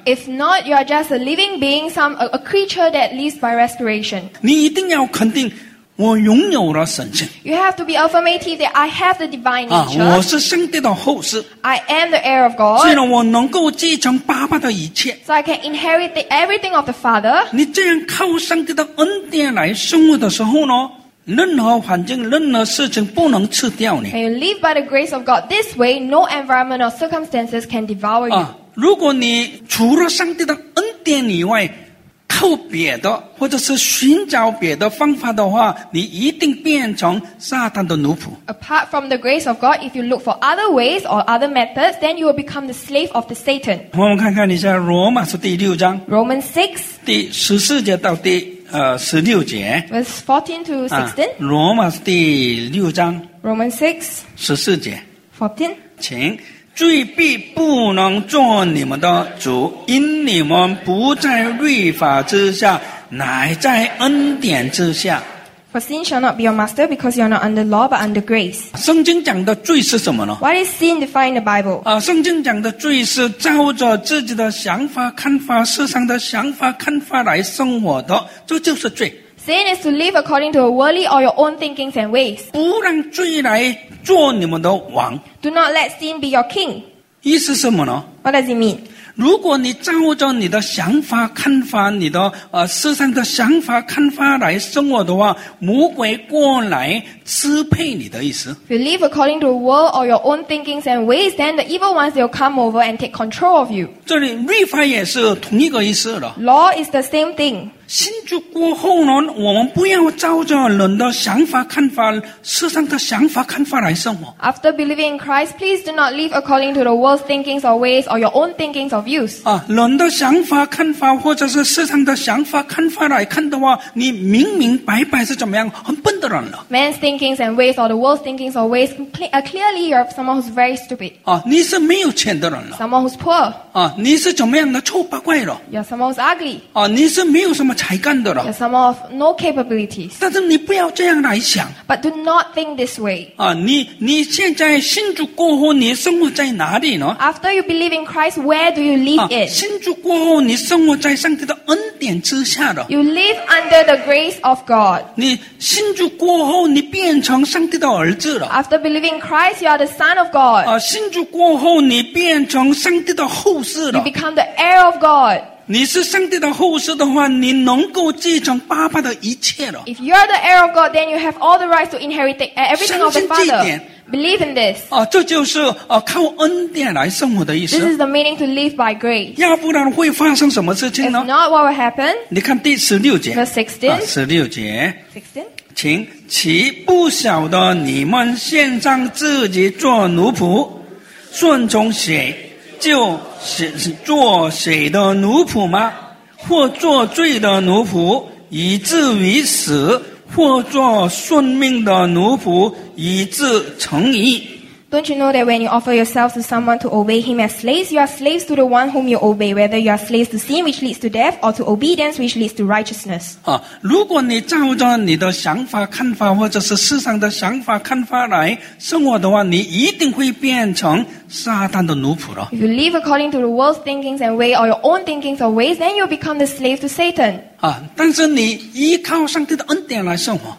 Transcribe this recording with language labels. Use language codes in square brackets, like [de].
[en] If not you are just a living being a creature that least by respiration. [zh] 你一定要肯定我拥有了神性。 [en] You have to be affirmative that I have the divine nature. [zh] 我是上帝的后嗣。 [en] I am the heir of God. [zh] 所以呢，我能够继承爸爸的一切。 [en] So I can inherit everything of the Father. [zh] 你这样靠上帝的恩典来生活的时候呢，任何环境、任何事情不能吃掉你。 [en] And you live by the grace of God this way, no environment or circumstances can devour you. [zh] 如果你除了上帝的恩典以外，靠别的或者是寻找别的方法的话你一定变成撒旦的奴仆 [en] Apart from the grace of God if you look for other ways or other methods then you will become the slave of the Satan [zh] 我们看看一下罗马书第六章 [en] Romans 6 [zh] 第十四节到第十六节 [en] Verse 14 to 16、 [zh] 啊、罗马书第六章 [en] Romans 6 [zh] 十四节 [en] 14 [zh] 请罪必不能做你们的主，因你们不在律法之下，乃在恩典之下。 [en] For sin shall not be your master, because you are not under law but under grace. [zh] 圣经讲的罪是什么呢 [en] ？What is sin defined in the Bible？ [zh] 啊，圣经讲的罪是照着自己的想法、看法、世上的想法、看法来生活的，这就是罪。 [en] Sin is to live according to a worldly or your own thinkings and ways. [zh] 不让罪来做你们的王。 [en] Do not let sin be your king. [zh] 意思什么呢 [en] ？What does it mean? [zh] 如果你照着你的想法、看法、你的世上的想法、看法来生活的话，魔鬼过来支配你的意思。 [en] If you live according to a world or your own thinkings and ways, then the evil ones will come over and take control of you. [zh] 这里律法也是同一个意思了。 [en] Law is the same thing. [zh] 信主过后呢，我们不要照着人的想法、看法、世上的想法、看法来生活。 [en] After believing in Christ, please do not live according to the world's thinkings or ways or your own thinkings or views. [zh] 啊，人的想法、看法或者是世上的想法、看法来看的话，你明明白白是怎么样，很笨的人了。 [en] Man's thinkings and ways or the world's thinkings or ways, clearly you're someone who's very stupid. [zh] 啊，你是没有钱的人了。 [en] Someone who's poor. [zh] 啊，你是怎么样的丑八怪了 [en] ？You're someone who's ugly. [zh] 啊，你是没有什么。才干的了。 [en] Some of no capabilities. [zh] 但是你不要这样来想。 [en] But do not think this way. [zh] 啊，你现在信主过后，你生活在哪里呢 [en] ？After you believe in Christ, where do you live in? [zh] 信主过后，你生活在上帝的恩典之下了。 [en] You live under the grace of God. [zh] 你信主过后，你变成上帝的儿子了。 [en] After believing Christ, you are the son of God. [zh] 啊，信主过后，你变成上帝的后嗣了。 [en] You become the heir of God. [zh] 你是上帝的后嗣的话，你能够继承爸爸的一切了。 [en] If you are the heir of God, then you have all the rights to inherit everything of the Father. [zh] 相信这一点。 [en] Believe in this. [zh] 啊，这就是靠恩典来生活的意思。 [en] This is the meaning to live by grace. [zh] 要不然会发生什么事情呢 [en] ？If not, what will happen? [zh] 你看第十六节。 [en] Verse 16. [zh] 十六节。 [en] 16. [zh] 请，岂不晓得你们献上自己做奴仆，顺从血。就是做谁的奴仆吗？或做罪的奴仆以至于死，或做顺命的奴仆以致成义。 [en] Don't you know that when you offer yourself to someone to obey him as slaves, you are slaves to the one whom you obey, whether you are slaves to sin, which leads to death, or to obedience, which leads to righteousness. [zh] 啊，如果你照着你的想法、看法，或者是世上的想法、看法来生活的话，你一定会变成撒旦的奴仆了。 [en] If you live according to the world's thinkings and way, or your own thinkings or ways, then you'll become the slave to Satan. [zh] 啊，但是你依靠上帝的恩典来生活。